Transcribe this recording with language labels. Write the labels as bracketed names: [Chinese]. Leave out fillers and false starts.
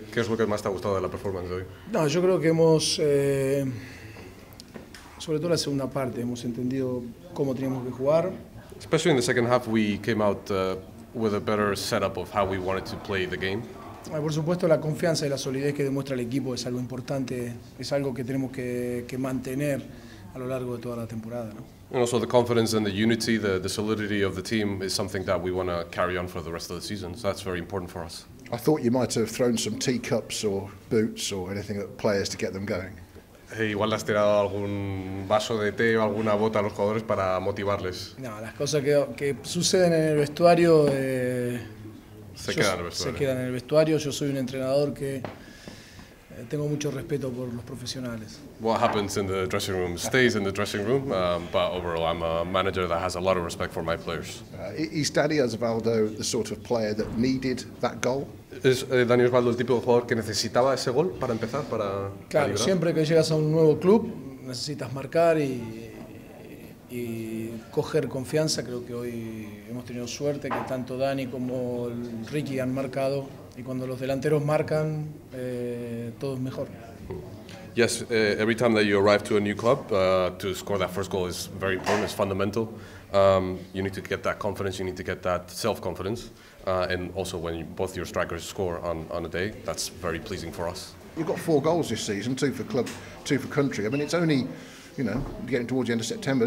[Spanish] ¿Qué es lo que más te ha gustado de la performance hoy? No, yo creo que hemos, sobre todo la segunda parte, hemos entendido cómo teníamos que jugar. [English] Especially in the second half, we came out with a better setup of how we wanted to play the game. [Spanish] Por supuesto, la confianza y la solidez que demuestra el equipo es algo importante. Es algo que tenemos que mantener a lo largo de toda la temporada, ¿no? [English] And also the confidence and the unity, the solidity of the team is something that we want to carry on for the rest of the season. So that's very important for us. I thought you might have thrown some teacups or boots or anything at players to get them going. [Spanish] Hey, igual has tirado algún vaso de té o alguna bota a los jugadores para motivarles. No, las cosas que suceden en el vestuario, se quedan en el vestuario. Yo soy un entrenador que tengo mucho respeto por los profesionales. [English] What happens in the dressing room stays in the dressing room, but overall I'm a manager that has a lot of respect for my players. Is Dani Osvaldo the sort of player that needed that goal? [Spanish] ¿Es Dani Osvaldo el tipo de jugador que necesitaba ese gol para empezar, para calibrar? Claro, siempre que llegas a un nuevo club necesitas marcar y coger confianza. Creo que hoy hemos tenido suerte que tanto Dani como Ricky han marcado. Y cuando los delanteros marcan, todo es mejor. [English] Yes, every time that you arrive to a new club, to score that first goal is very important, it's fundamental. You need to get that confidence, you need to get that self-confidence. And also when both your strikers score on a day, that's very pleasing for us. You've got 4 goals this season, 2 for club, 2 for country. I mean, it's only, you know, getting towards the end of September.